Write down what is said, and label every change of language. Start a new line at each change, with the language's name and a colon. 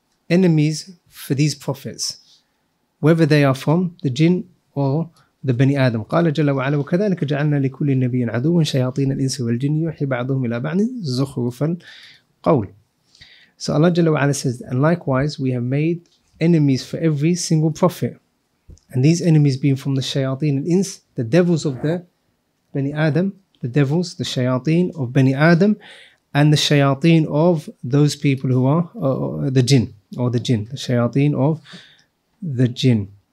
English: Enemies for these prophets, whether they are from the jinn or the Bani Adam.
Arabic: قال جل وعلا وكذلك جعلنا لكل نبي عدو شياطين الإنس والجن يوحي بعضهم إلى بعض زخرف القول.
English: So Allah جل وعلا says, and likewise we have made enemies for every single prophet, and these enemies being from the shayateen al-ins, the devils of the Bani Adam, the devils, the shayateen of Bani Adam, and the shayateen of those people who are the shayateen of the jinn.